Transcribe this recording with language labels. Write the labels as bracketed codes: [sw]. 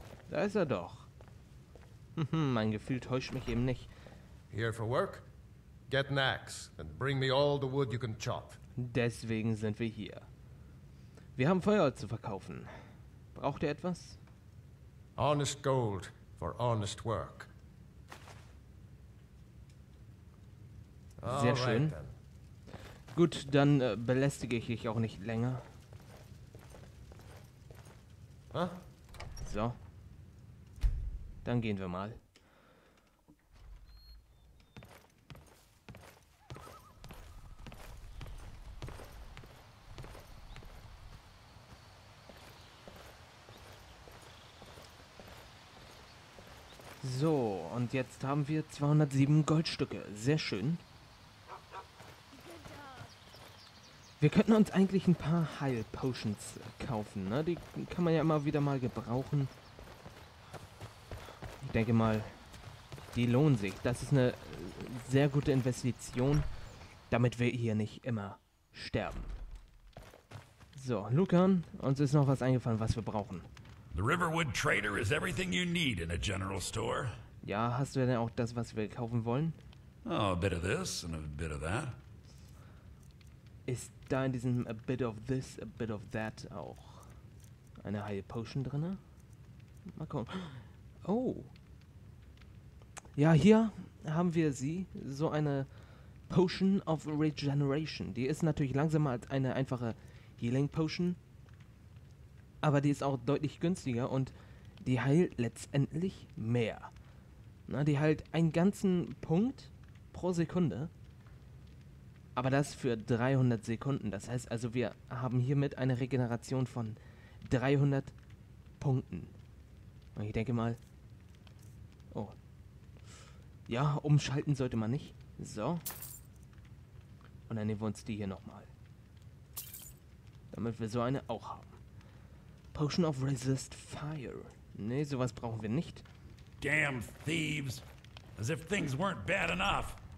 [de] Da ist er doch. Mein Gefühl täuscht mich eben nicht. [en] Here for work? Get an axe and bring me all the wood you can chop. [de] Deswegen sind wir hier. Wir haben Feuer zu verkaufen. Braucht ihr etwas? [en] Honest gold for honest work. [de] Sehr schön. Gut, dann belästige ich dich auch nicht länger. So. Dann gehen wir mal. So, und jetzt haben wir 207 Goldstücke. Sehr schön. Wir könnten uns eigentlich ein paar Heilpotions kaufen, ne? Die kann man ja immer wieder mal gebrauchen. Ich denke mal, die lohnen sich. Das ist eine sehr gute Investition, damit wir hier nicht immer sterben. So, Lucan, uns ist noch was eingefallen, was wir brauchen. [en] The Riverwood Trader is everything you need in a general store. [de] Ja, hast du denn auch das, was wir kaufen wollen? [en] Oh, a bit of this and a bit of that. [de] Ist da in diesem [en] a bit of this, a bit of that [de] auch eine High Potion drin? Mal gucken. Oh. Ja, hier haben wir sie. So eine Potion of Regeneration. Die ist natürlich langsamer als eine einfache Healing Potion. Aber die ist auch deutlich günstiger und die heilt letztendlich mehr. Na, die heilt einen ganzen Punkt pro Sekunde. Aber das für 300 Sekunden. Das heißt also, wir haben hiermit eine Regeneration von 300 Punkten. Und ich denke mal... Oh. Ja, umschalten sollte man nicht. So. Und dann nehmen wir uns die hier nochmal. Damit wir so eine auch haben. Potion of Resist Fire. Nee, sowas brauchen wir nicht. [en] damn thieves. As if things weren't bad enough.